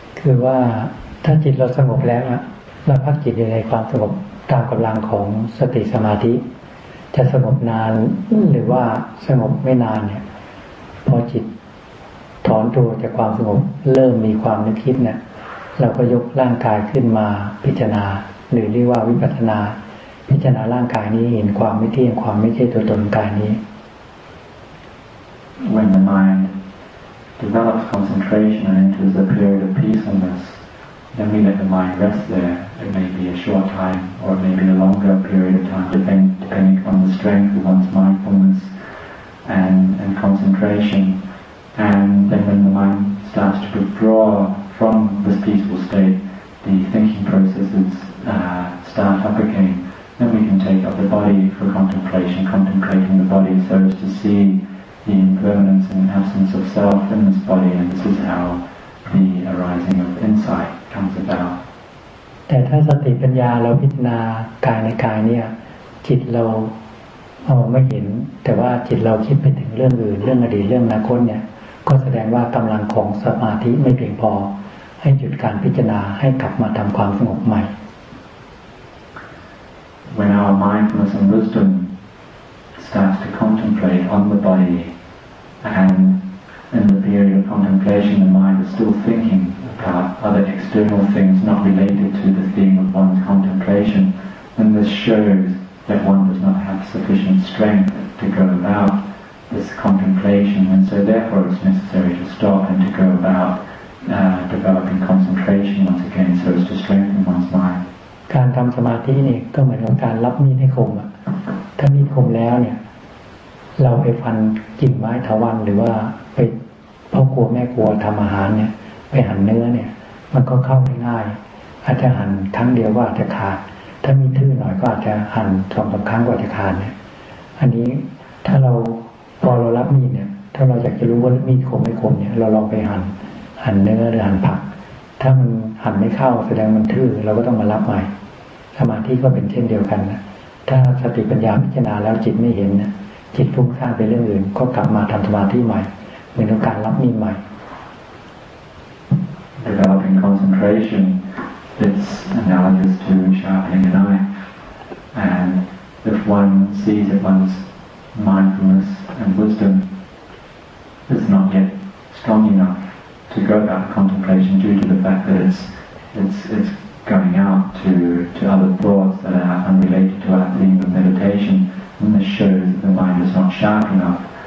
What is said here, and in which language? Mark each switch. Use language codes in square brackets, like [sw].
[th] คือว่าถ้าจิตเราสงบแล้วเราพักจิตอยู่ในความสงบตามกำลังของสติสมาธิจะสงบนานหรือว่าสงบไม่นานเนี่ยพอจิตถอนตัวจากความสงบเริ่มมีความนึกคิดเนี่ยเราก็ยกร่างกายขึ้นมาพิจารณาหรือเรียกว่าวิปัสสนาพิจารณาร่างกายนี้เห็นความไม่เที่ยงความไม่ใช่ตัวตนกายนี้ [en] When the mindDevelops concentration and enters a period of peacefulness. Then we let the mind rest there. It may be a short time, or it may be a longer period of time, depending on the strength of one's mindfulness and concentration. And then, when the mind starts to withdraw from this peaceful state, the thinking processes start up again. Then we can take up the body for contemplation, contemplating the body so as to see. The impermanence and absence of self in this body, and this is how the arising of insight comes about. [th] แต่ถ้าสติปัญญาเราพิจารณากายในกายเนี่ยจิตเราไม่เห็นแต่ว่าจิตเราคิดไปถึงเรื่องอื่นเรื่องอดีตเรื่องอนาคตเนี่ยก็แสดงว่ากำลังของสมาธิไม่เพียงพอให้หยุดการพิจารณาให้กลับมาทำความสงบใหม่ [en] When our mindfulness and wisdomstarts to contemplate on the body and in the period of contemplation the mind is still thinking about other external things not related to the theme of one's contemplation and this shows that one does not have sufficient strength to go about this contemplation, and so therefore it's necessary to stop and to go about developing concentration once again so as to strengthen one's mind. [th] การทำสมาธินี่ก็เหมือนกับการรับมีดให้คมอ่ะถ้ามีดคมแล้วเนี่ยเราไปฟันกิ่งไม้ถาวรหรือว่าไปพ่อครัวแม่ครัวทำอาหารเนี่ยไปหั่นเนื้อเนี่ยมันก็เข้าได้ง่ายอาจจะหั่นครั้งเดียวก็อาจจะขาดถ้ามีทื่อหน่อยก็อาจจะหั่นสองสามครั้งก็อาจจะขาดเนี่ยอันนี้ถ้าเรา พอเรารับมีดเนี่ยถ้าเราอยากจะรู้ว่ามีดคมไม่คมเนี่ยเราลองไปหั่นเนื้อหรือหั่นผักถ้ามันหั่นไม่เข้าแสดงมันทื่อเราก็ต้องมารับใหม่สมาธิก็เป็นเช่นเดียวกันนะถ้าสติปัญญาพิจารณาแล้วจิตไม่เห็นนะจิตฟุ้งซ่านไปเรื่องอื่นก็กลับมาทำสมาธิใหม่เหมือนการรับมีดใหม่ [en] developing concentration it's analogous to sharpening a knife and if one sees that one's mindfulness and wisdom is not yet strong enoughTo go about contemplation due to the fact that it's going out to other thoughts that are unrelated to our theme of meditation, and this shows that the mind is not sharp enough.